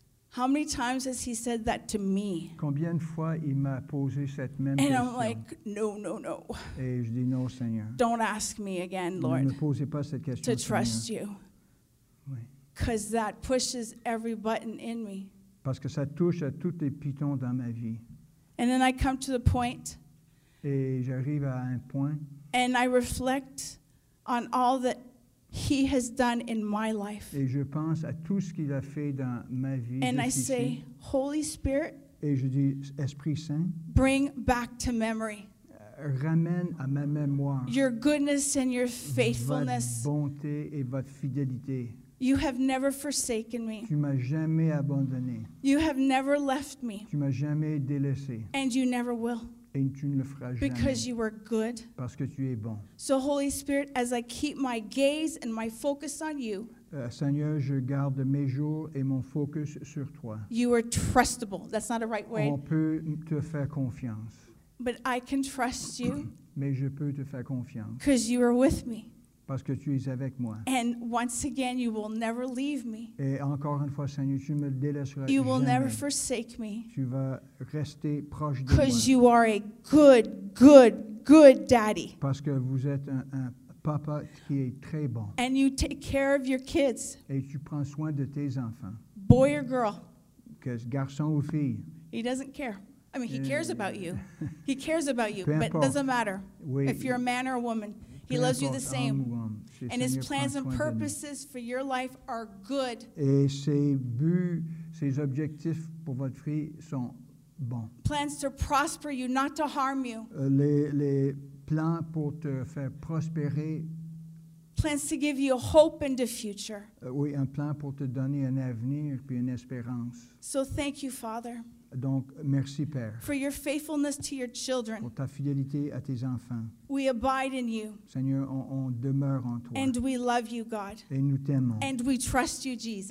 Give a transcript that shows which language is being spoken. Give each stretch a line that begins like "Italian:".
English: How many times has he said that to me?
French: Combien de fois il m'a posé cette même question?
English: And I'm like, no, no, no.
French: Et je dis non, Seigneur.
English: Don't ask me again, Lord.
French: Ne me posez pas cette question,
English: to trust
French: Seigneur.
English: You. Because that pushes every button in me.
French: Parce que ça touche à tous les pitons dans ma vie.
English: And then I come to the point.
French: Et j'arrive à un point.
English: And I reflect on all that he has done in my life.
French: Et je pense à tout ce qu'il a fait dans ma vie.
English: And I say, Holy Spirit,
French: et je dis, Esprit Saint,
English: bring back to memory.
French: Ramène à ma mémoire.
English: Your goodness and your faithfulness.
French: Votre bonté et votre fidélité.
English: You have never forsaken me.
French: Tu m'as jamais abandonné.
English: You have never left me.
French: Tu m'as jamais délaissé.
English: And you never will.
French: Et tu ne le feras jamais.
English: Because you are good.
French: Parce que tu es bon.
English: So Holy Spirit, as I keep my gaze and my focus on you.
French: Seigneur, je garde mes jours et mon focus sur toi.
English: You are trustable. That's not the right way.
French: On peut te faire confiance.
English: But I can trust you.
French: Mais je peux te faire confiance.
English: Because you are with me.
French: Parce que tu es avec moi.
English: And once again, you will never leave me.
French: Et encore une fois, Seigneur, tu me délaisseras jamais.
English: You will never forsake me.
French: Tu vas rester proche de moi.
English: Because you are a good, good, good daddy.
French: Parce que vous êtes un papa qui est très bon.
English: And you take care of your kids.
French: Et tu prends soin de tes enfants.
English: Boy or girl.
French: Que ce garçon ou fille.
English: He doesn't care. I mean, he cares about you. He cares about you, but it doesn't matter if you're a man or a woman. He loves you the same. And his plans and purposes for your life are good.
French: Et ses buts, ses objectifs pour votre vie sont bons.
English: Plans to prosper you, not to harm you.
French: Les plans pour te faire prospérer.
English: Plans to give you hope and a future.
French: Oui, un plan pour te donner un avenir puis une espérance.
English: So thank you, Father.
French: Donc, merci, Père,
English: for your faithfulness to your children.
French: Pour ta fidélité à tes enfants.
English: We abide in you.
French: Seigneur, on demeure en toi.
English: And we love you, God.
French: Et nous t'aimons.
English: And we trust you, Jesus.